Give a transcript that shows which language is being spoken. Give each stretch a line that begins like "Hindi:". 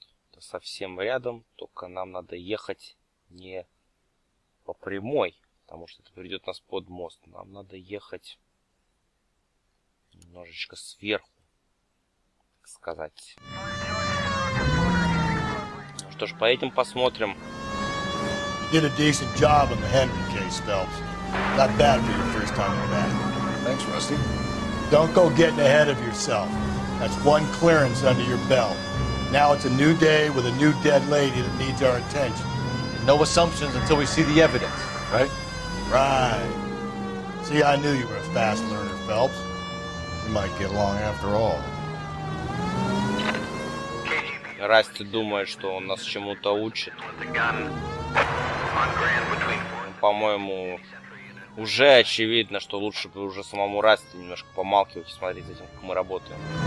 Russian: Это совсем рядом, только нам надо ехать не по прямой, потому что это приведет нас под мост. Нам надо ехать немножечко сверху, так сказать. Ну что ж, поедем посмотрим.
English: Did a decent job on the Henry case, Phelps. Not bad for your first time in the back. Thanks, Rusty. Don't go getting ahead of yourself. That's one clearance under your belt. Now it's a new day with a new dead lady that needs our attention. And no assumptions until we see the evidence, right? Right. See, I knew you were a fast learner, Phelps. You might get along after all.
Russian: Расти думает, что он нас чему-то учит. Ну, по-моему, уже очевидно, что лучше бы уже самому Расти немножко помалкивать и смотреть за тем, как мы работаем.